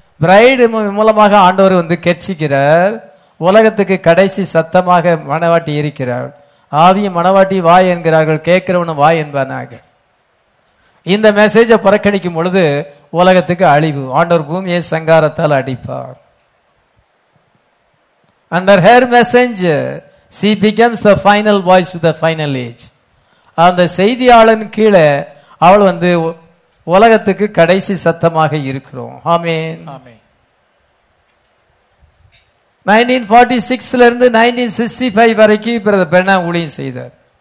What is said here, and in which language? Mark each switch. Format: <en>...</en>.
<ta>Bride மூலமாக ஆண்டவர் வந்து கெர்ச்சிக்கிறார். உலகத்துக்கு கடைசி சத்தமாக மனவாட்டி இருக்கிறார். ஆவியும் மனவாட்டி வாய் என்கிறார்கள். கேட்கிறவனும் வாய் என்பானாக. இந்த மெசேஜை புறக்கணிக்கும் பொழுது உலகத்துக்கு அழிவு. ஆண்டவர் பூமியை சங்காரத்தால் அடிப்பார்.</ta> <en>Under her messenger, she becomes the final voice to the final age.</en> <ta>அந்த செய்தியாளன் கீழே அவள் வந்து உலகத்துக்கு கடைசி சத்தமாக இருக்கிறோம். ஆமென். ஆமென். 1946 இருந்து 1965 வரைக்கும் பிரதர் பிரனாம் ஊழியம் செய்தார்.</ta>